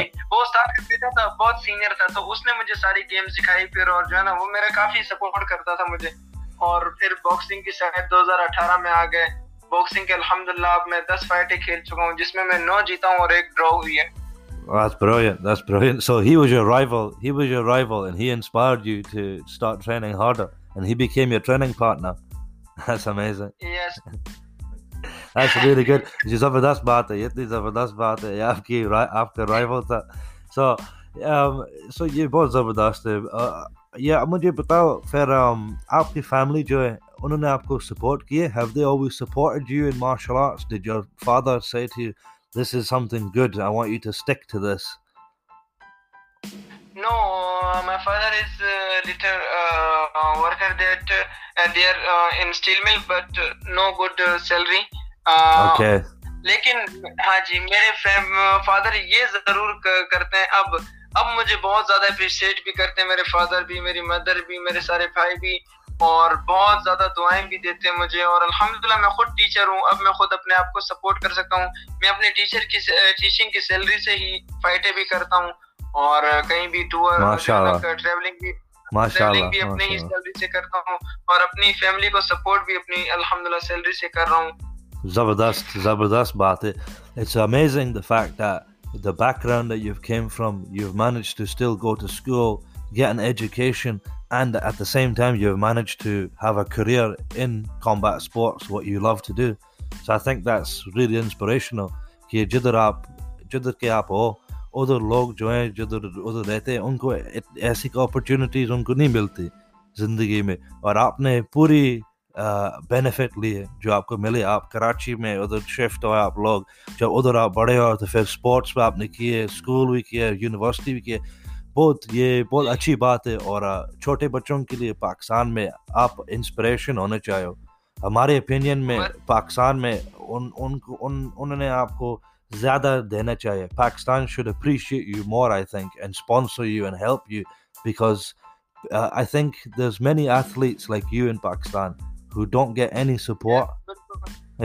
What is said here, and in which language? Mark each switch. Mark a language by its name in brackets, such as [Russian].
[Hindi] वो बेटा था बहुत सीनियर था, तो उसने मुझे सारी गेम सिखाई फिर, और जो है ना वो मेरा काफी सपोर्ट करता था मुझे। और फिर बॉक्सिंग की शायद 2018 में आ गए बॉक्सिंग के। अल्हम्दुलिल्लाह अब मैं 10 फाइटें खेल चुका हूँ जिसमें मैं 9 जीता हूँ और एक ड्रॉ हुई है। [English] That's brilliant. That's brilliant. So he was your rival. He was your rival, and he inspired you to start training harder, and he became your training partner. That's amazing. Yes. That's really good. [Hindi] ये जबरदस्त बात है, ये इतनी जबरदस्त बात है, आपकी आपका rival था. So, so ये बहुत जबरदस्त है. Yeah, मुझे बताओ फिर आपकी family जो है, उन्होंने आपको support किए? [English] Have they always supported you in martial arts? Did your father say to you, this is something good, I want you to stick to this? No, my father is a little worker that they are in steel mill, but no good salary. Okay. [Hindi] Lekin haan ji, mere father ye zarur karte hain. Ab mujhe bahut zyada appreciate bhi karte hain, mere father bhi, meri mother bhi, mere sare bhai bhi, और बहुत ज्यादा दुआएं भी देते हैं मुझे। और अल्हम्दुलिल्लाह मैं खुद टीचर हूँ, अब मैं खुद अपने आप को सपोर्ट कर सकता हूँ। मैं अपने टीचर की टीचिंग की सैलरी से ही फाइटें भी करता हूँ, और कहीं भी टूर ट्रैवलिंग भी अपने ही सैलरी से करता हूँ, और अपनी फैमिली को सपोर्ट भी अपनी अल्हम्दुलिल्लाह सैलरी से कर रहा हूँ। जबरदस्त जबरदस्त बात है। [English] It's amazing the fact that the background that you have came from, you have managed to still go to school, get an education, and at the same time you've managed to have a career in combat sports, what you love to do. So I think that's really inspirational [Hindi] ki jidhar ke aap ho udhar log jo hain jidhar udhar rehte hain unko aisi opportunities unko nahi milti zindagi mein, aur aapne puri benefit liye jo aapko mile. Aap Karachi mein udhar shift hue, aap log jo udhar aap bade ho, the first sports mein aapne kiye, school bhi kiye, university bhi kiye, बहुत ये बहुत अच्छी बात है। और छोटे बच्चों के लिए पाकिस्तान में आप इंस्पिरेशन होने चाहिए हो, हमारे ओपिनियन में पाकिस्तान में उन्होंने आपको ज्यादा देना चाहिए। [English] Pakistan should appreciate you more I think, and sponsor you and help you, because I think there is many athletes like you in Pakistan who don't get any support.